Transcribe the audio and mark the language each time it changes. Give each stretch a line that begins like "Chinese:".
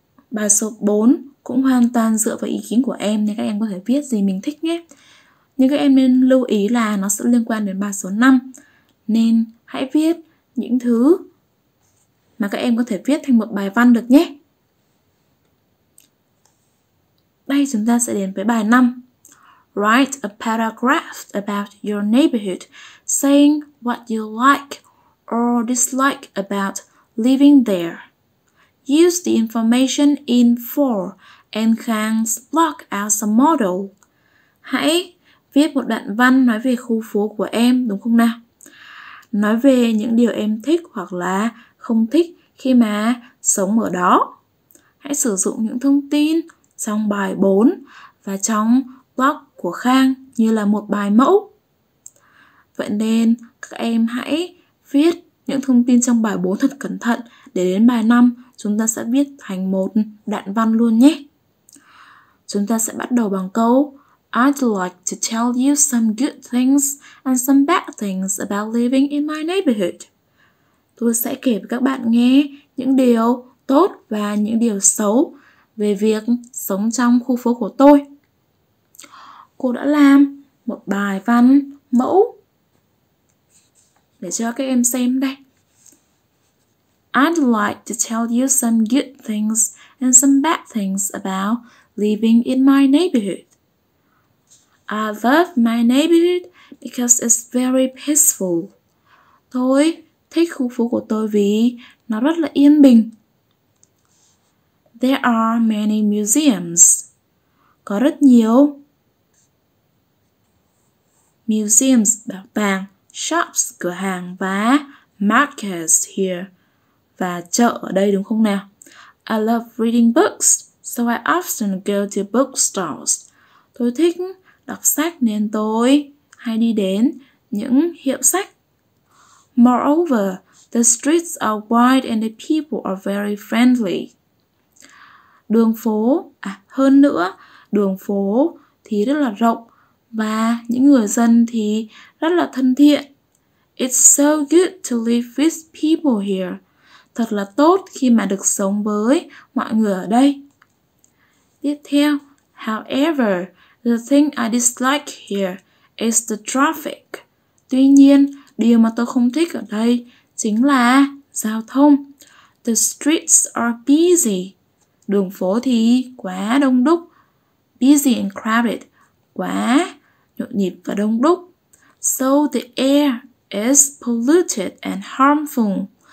Vietnamese: Bài số 4 cũng hoàn toàn dựa vào ý kiến của em, nên các em có thể viết gì mình thích nhé. Nhưng các em nên lưu ý là nó sẽ liên quan đến bài số 5, nên hãy viết những thứ mà các em có thể viết thành một bài văn được nhé. Đây, chúng ta sẽ đến với bài 5.
English: Write a paragraph about your neighborhood, saying what you like or dislike about living there. Use the information in For and Khang's blog as a model.
Vietnamese: Hãy viết một đoạn văn nói về khu phố của em, đúng không nào? Nói về những điều em thích hoặc là không thích khi mà sống ở đó. Hãy sử dụng những thông tin trong bài 4 và trong blog của Khang như là một bài mẫu. Vậy nên các em hãy viết những thông tin trong bài 4 thật cẩn thận, để đến bài 5 chúng ta sẽ viết thành một đoạn văn luôn nhé. Chúng ta sẽ bắt đầu bằng câu
English: I'd like to tell you some good things and some bad things about living in my neighborhood.
Vietnamese: Tôi sẽ kể với các bạn nghe những điều tốt và những điều xấu về việc sống trong khu phố của tôi. Cô đã làm một bài văn mẫu để cho các em xem đây.
English: I'd like to tell you some good things and some bad things about living in my neighborhood. I love my neighborhood because it's very peaceful.
Vietnamese: Tôi thích khu phố của tôi vì nó rất là yên bình.
English: There are many museums.
Vietnamese: Có rất nhiều museums, bảo tàng, shops, cửa hàng và markets here. Và chợ ở đây đúng không nào?
English: I love reading books, so I often go to bookstores.
Vietnamese: Tôi thích đọc sách nên tôi hay đi đến những hiệu sách.
English: Moreover, the streets are wide and the people are very friendly.
Vietnamese: Đường phố, hơn nữa, đường phố thì rất là rộng và những người dân thì rất là thân thiện.
English: It's so good to live with people here.
Vietnamese: Thật là tốt khi mà được sống với mọi người ở đây. Tiếp theo,
English: however, the thing I dislike here is the traffic.
Vietnamese: Tuy nhiên, điều mà tôi không thích ở đây chính là giao thông.
English: The streets are busy.
Vietnamese: Đường phố thì quá đông đúc.
English: Busy and crowded.
Vietnamese: Quá nhộn nhịp và đông đúc.
English: So the air is polluted and harmful.